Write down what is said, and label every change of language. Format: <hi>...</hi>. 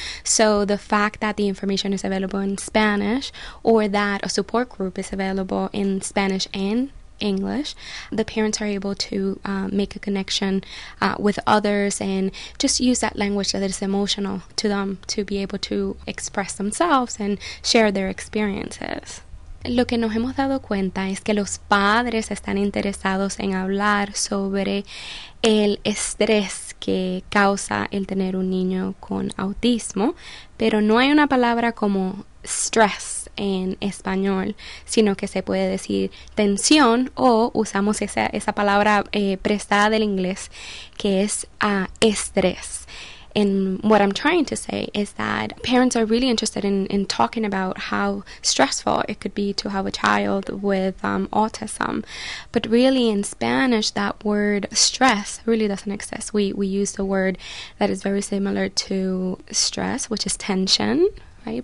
<en>So the fact that the information is available in Spanish, or that a support group is available in Spanish and English, the parents are able to make a connection with others and just use that language that is emotional to them to be able to express themselves and share their experiences.</en> <es>Lo que nos hemos dado cuenta es que los padres están interesados en hablar sobre el estrés que causa el tener un niño con autismo, pero no hay una palabra como stress en español, sino que se puede decir tensión, o usamos esa palabra prestada del inglés, que es estrés.</es> <en>And what I'm trying to say is that parents are really interested in talking about how stressful it could be to have a child with autism. But really, in Spanish, that word stress really doesn't exist. We use the word that is very similar to stress, which is tension, right?</en>